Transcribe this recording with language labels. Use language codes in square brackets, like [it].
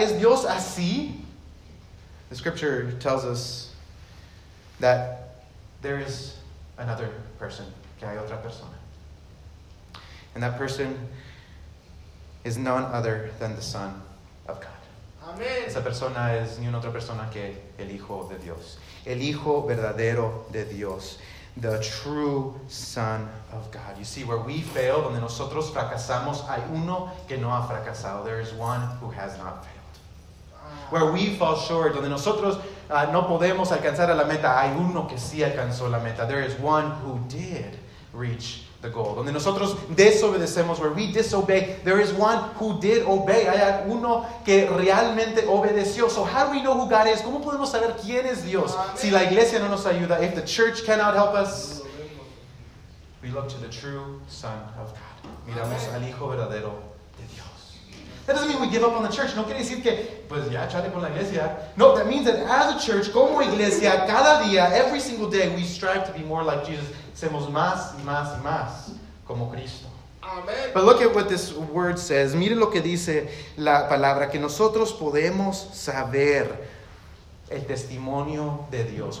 [es] ¿Es Dios así? [en] The scripture tells us that there is another person, [es] que hay otra persona. [en] And that person is none other than the Son of God. Amen. [es] Esa persona es ni una otra persona que el Hijo de Dios. El Hijo verdadero de Dios. [en] The true Son of God. You see, where we fail, [es] donde nosotros fracasamos, hay uno que no ha fracasado. [en] There is one who has not failed. Where we fall short, [es] donde nosotros no podemos alcanzar a la meta, hay uno que sí alcanzó la meta. [en] There is one who did reach the goal. [es] Donde nosotros desobedecemos, [en] where we disobey, there is one who did obey. [es] Hay uno que realmente obedeció. [en] So how do we know who God is? [es] ¿Cómo podemos saber quién es Dios? Amen. Si la iglesia no nos ayuda, [en] if the church cannot help us, we look to the true Son of God. [es] Miramos, [en] amen, [es] al Hijo verdadero de Dios. [en] That doesn't mean we give up on the church. [es] No quiere decir que, pues ya, chale con la iglesia. [en] No, that means that as a church, [es] como iglesia, cada día, [en] every single day, we strive to be more like Jesus. [es] Hacemos más y más y más como Cristo. Amen. [en] But look at what this word says. [es] Mire lo que dice la palabra. Que nosotros podemos saber el testimonio de Dios.